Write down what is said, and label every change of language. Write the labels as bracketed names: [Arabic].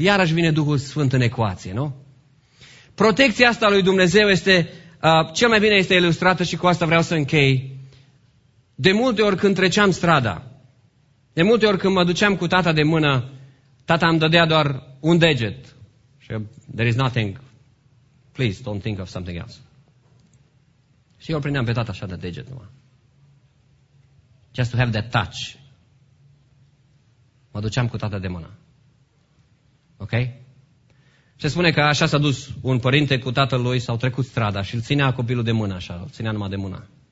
[Romanian] Iarăși vine Duhul Sfânt în ecuație, nu? Protecția asta lui Dumnezeu este, cel mai bine este ilustrată și cu asta vreau să închei. De multe ori când treceam strada, de multe ori când mă duceam cu tata de mână, tata îmi dădea doar un deget. Și [English] there is nothing, please don't think of something else. [Romanian] Și eu îl prindeam pe tata așa de deget numai. [English] Just to have that touch. [Romanian] Mă duceam cu tata de mână. Ok? Se spune că așa s-a dus un părinte cu tatăl lui, s-au trecut strada și îl ținea copilul de mână așa, îl ținea numai de mână.